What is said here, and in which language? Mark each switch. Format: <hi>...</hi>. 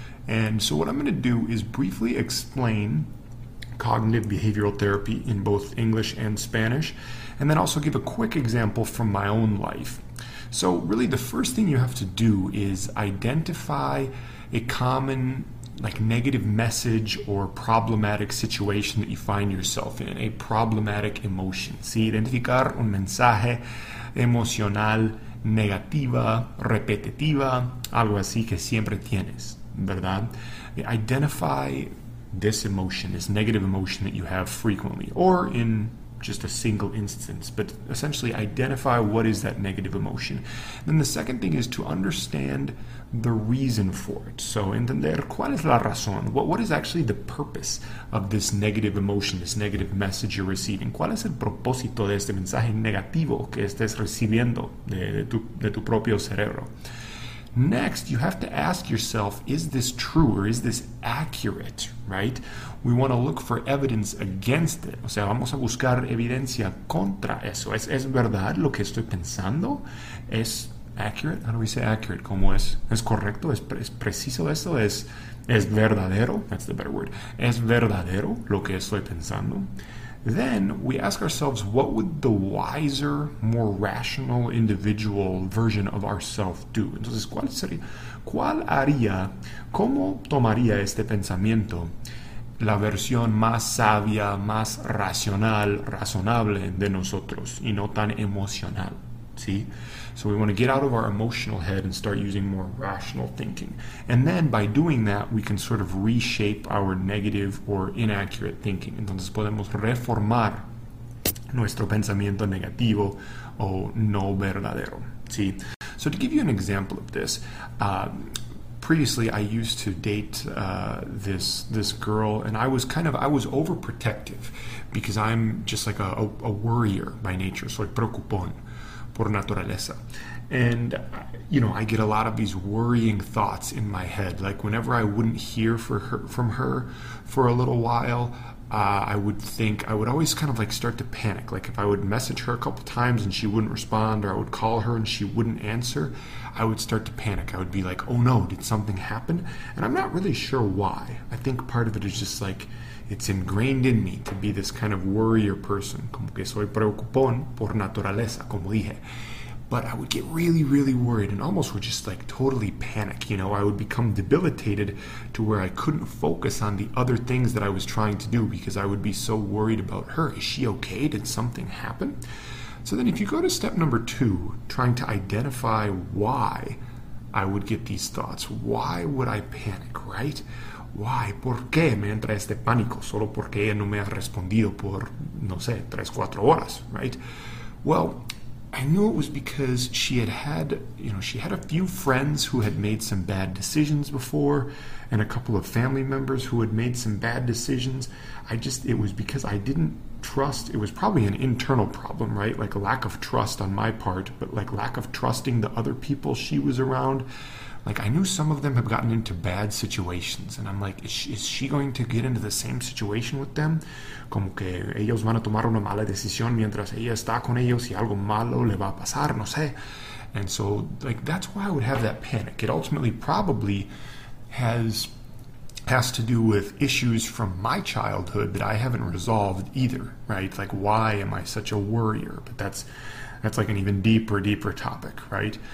<en>And so what I'm going to do is briefly explain cognitive behavioral therapy in both English and Spanish, and then also give a quick example from my own life. So really the first thing you have to do is identify a common negative message or problematic situation that you find yourself in, a problematic emotion.</en> <es>Sí, identificar un mensaje emocional negativa, repetitiva, algo así que siempre tienes, ¿verdad?</es> <en>Identify this emotion, this negative emotion that you have frequently, or in just a single instance, but essentially identify what is that negative emotion. Then the second thing is to understand the reason for it. So,</en> <es>entender cuál es la razón.</es> <en>What is actually the purpose of this negative emotion, this negative message you're receiving?</en> <es>¿Cuál es el propósito de este mensaje negativo que estés recibiendo de tu propio cerebro?</es> <en>Next, you have to ask yourself, is this true or is this accurate, right? We want to look for evidence against it.</en> <es>O sea, vamos a buscar evidencia contra eso. ¿Es verdad lo que estoy pensando? ¿Es accurate?</es> <en>How do we say accurate?</en> <es>¿Cómo es? ¿Es correcto? ¿Es preciso eso? ¿Es verdadero?</es> <en>That's the better word.</en> <es>¿Es verdadero lo que estoy pensando?</es> <en>Then we ask ourselves, what would the wiser, more rational individual version of ourself do?</en> <es>Entonces, ¿cuál sería? ¿Cuál haría? ¿Cómo tomaría este pensamiento la versión más sabia, más racional, razonable de nosotros y no tan emocional? ¿Sí?</es> <en>So we want to get out of our emotional head and start using more rational thinking. And then by doing that, we can sort of reshape our negative or inaccurate thinking.</en> <es>Entonces podemos reformar nuestro pensamiento negativo o no verdadero. ¿Sí?</es> <en>So to give you an example of this, previously I used to date this girl, and I was overprotective because I'm just like a worrier by nature.</en> <es>Soy preocupón por naturaleza.</es> <en>And, you know, I get a lot of these worrying thoughts in my head. Like whenever I wouldn't hear from her for a little while, I would always kind of like start to panic. Like if I would message her a couple times and she wouldn't respond, or I would call her and she wouldn't answer, I would start to panic. I would be like, oh no, did something happen? And I'm not really sure why. I think part of it is just like, it's ingrained in me to be this kind of worrier person.</en> <es>Como que soy preocupón por naturaleza, como dije.</es> <en>But I would get really, really worried and almost would just like totally panic. You know, I would become debilitated to where I couldn't focus on the other things that I was trying to do because I would be so worried about her. Is she okay? Did something happen? So then if you go to step number two, trying to identify why I would get these thoughts, why would I panic, right? Why?</en> <es>¿Por qué me entra este pánico? Solo porque ella no me ha respondido por, no sé, 3-4 horas, right?</es> <en>Well, I knew it was because she had had, you know, she had a few friends who had made some bad decisions before, and a couple of family members who had made some bad decisions. It was because I didn't trust. It was probably an internal problem, right? Like a lack of trust on my part, but like lack of trusting the other people she was around. Like I knew some of them have gotten into bad situations, and I'm like, is she going to get into the same situation with them?</en> <es>Como que ellos van a tomar una mala decisión mientras ella está con ellos, y algo malo le va a pasar, no sé.</es> <en>And so, like, that's why I would have that panic. It ultimately probably has to do with issues from my childhood that I haven't resolved either, right? Like, why am I such a worrier? But that's like an even deeper topic, right?</en>